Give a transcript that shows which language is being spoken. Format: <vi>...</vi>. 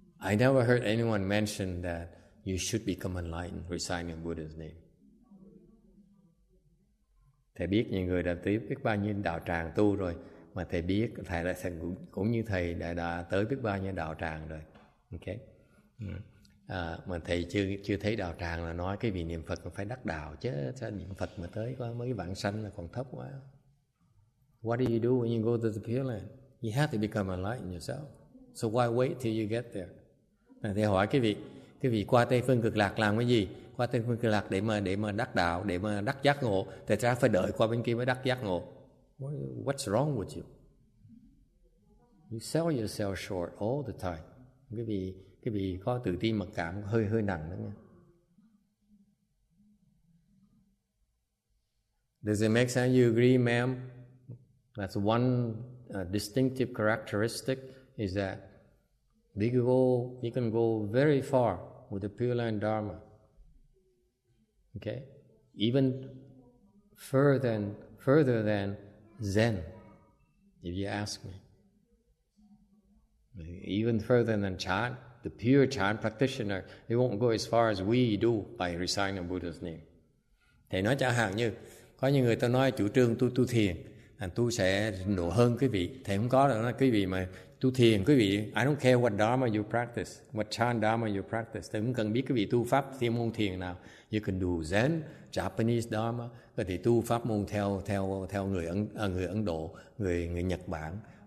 <en>I never heard anyone mention that you should become enlightened reciting Buddha's name.</en> <vi>Thầy biết những người đã tới biết bao nhiêu đạo tràng tu rồi, mà thầy biết thầy là cũng như thầy đã tới biết bao nhiêu đạo tràng rồi. Okay. Mà thầy chưa thấy đạo tràng là nói cái vị niệm Phật phải đắc đạo chứ, sao niệm Phật mà tới có mấy vạn sanh là còn thấp quá.</vi> <en>What do you do when you go to the Pure Land? You have to become enlightened yourself. So why wait till you get there?</en> <vi>Thầy hỏi cái vị qua Tây Phương Cực Lạc làm cái gì? Qua Tây Phương Cực Lạc để mà đắc đạo, để mà đắc giác ngộ. Tại sao phải đợi qua bên kia mới đắc giác ngộ?</vi> <en>What's wrong with you? You sell yourself short all the time.</en> <vi>Cái vị có tự ti mặc cảm hơi hơi nặng đó nha.</vi> <en>Does it make sense? You agree, ma'am? That's one distinctive characteristic, is that you can go very far with the Pure Land Dharma. Okay, even further than Zen, if you ask me. Even further than Chan, the pure Chan practitioner, they won't go as far as we do by reciting Buddha's name.</en> <vi>Thầy nói chẳng hạn như có những người ta nói chủ trương tôi tu thiền, tôi sẽ nổ hơn quý vị. Thầy không có đâu, quý vị mà tu thiền, quý vị,</vi> <en>I don't care what dharma you practice, what chan dharma you practice.</en> <vi>Thầy không cần biết quý vị tu pháp thiền môn thiền nào.</vi> <en>You can do Zen, Japanese dharma,</en> <vi>có thể tu pháp môn theo người Ấn Độ, người Nhật Bản.</vi>